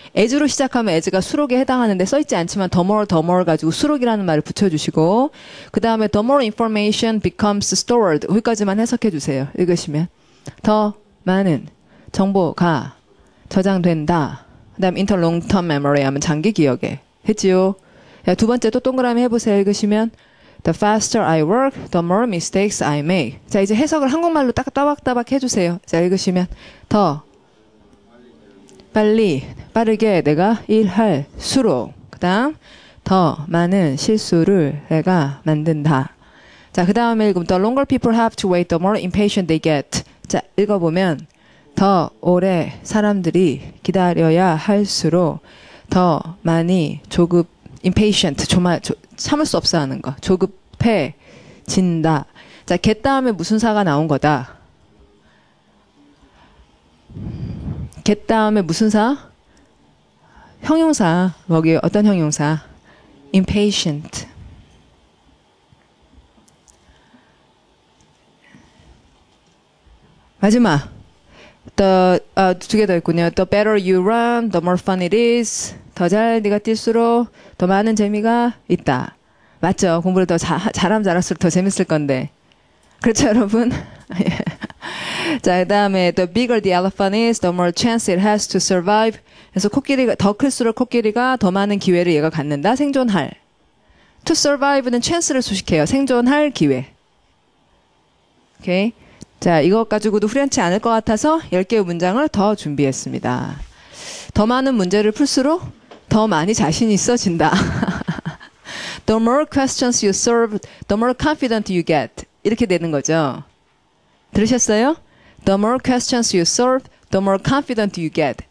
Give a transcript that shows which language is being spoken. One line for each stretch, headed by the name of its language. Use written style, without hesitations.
Korean: 에즈로 시작하면 에즈가 수록에 해당하는데 써있지 않지만 the more, the more 가지고 수록이라는 말을 붙여주시고, 그 다음에
English: the more information becomes stored.
Korean: 여기까지만 해석해 주세요. 읽으시면. 더 많은 정보가 저장된다. 그 다음에
English: inter long term memory
Korean: 하면 장기 기억에. 했지요? 야, 두 번째 또 동그라미 해보세요. 읽으시면.
English: The faster I work, the more mistakes I make.
Korean: 자, 이제 해석을 한국말로 딱 따박따박 해주세요. 자, 읽으시면. 더 빨리, 빠르게 내가 일할수록, 그 다음, 더 많은 실수를 내가 만든다. 자, 그 다음에 읽으면,
English: The longer people have to wait, the more impatient they get.
Korean: 자, 읽어보면, 더 오래 사람들이 기다려야 할수록, 더 많이 조급, impatient, 참을 수 없어 하는 거, 조급해진다. 자, get 다음에 무슨 사가 나온 거다? get 다음에 무슨 사? 형용사. 거기 어떤 형용사? impatient. 마지막. together 있군요.
English: The better you run, the more fun it is.
Korean: 더잘 네가 뛸수록 더 많은 재미가 있다. 맞죠? 공부를 더 잘하면 잘할수록 더 재밌을 건데. 그렇죠, 여러분? 자, 그다음에
English: the bigger the elephant is, the more chance it has to survive.
Korean: 그래서 코끼리가 더 클수록 코끼리가 더 많은 기회를 얘가 갖는다. 생존할. To survive는 chance를 수식해요. 생존할 기회. 오케이. 자, 이거 가지고도 후련치 않을 것 같아서 10개의 문장을 더 준비했습니다. 더 많은 문제를 풀수록 더 많이 자신 있어진다.
English: The more questions you solve, the more confident you get.
Korean: 이렇게 되는 거죠. 들으셨어요?
English: The more questions you solve, the more confident you get.